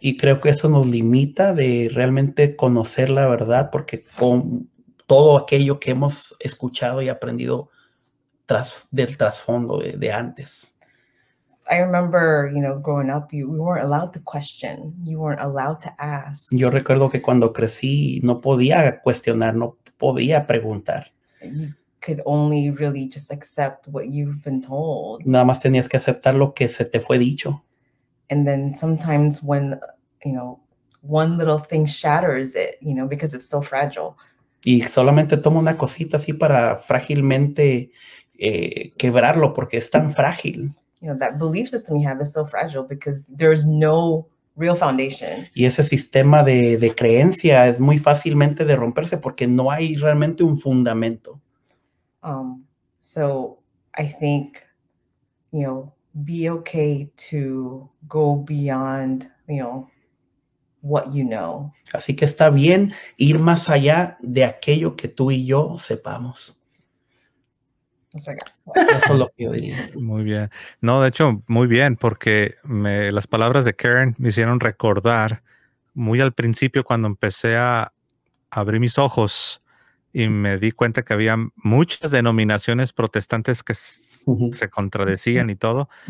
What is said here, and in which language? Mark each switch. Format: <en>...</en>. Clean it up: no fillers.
<es>Y creo que eso nos limita de realmente conocer la verdad, porque con todo aquello que hemos escuchado y aprendido del trasfondo de antes.</es> <en>I remember, you know, growing up, we weren't allowed to question. You weren't allowed to ask.</en> <es>Yo recuerdo que cuando crecí, no podía cuestionar, no podía preguntar.</es> <en>You could only really just accept what you've been told.</en> <es>Nada más tenías que aceptar lo que se te fue dicho.</es> <en>And then sometimes when, you know, one little thing shatters it, you know, because it's so fragile.</en> <es>Y solamente toma una cosita así para frágilmente quebrarlo porque es tan frágil.</es> <en>You know, that belief system you have is so fragile because there's no real foundation.</en> <es>Y ese sistema de creencia es muy fácilmente de romperse porque no hay realmente un fundamento.</es> <en>So I think, you know, be okay to go beyond, you know, what you know.</en> <es>Así que está bien ir más allá de aquello que tú y yo sepamos. Eso es lo que yo diría. Muy bien. No, de hecho, muy bien, porque las palabras de Karen me hicieron recordar muy al principio cuando empecé a abrir mis ojos y me di cuenta que había muchas denominaciones protestantes que se contradecían y todo.</es>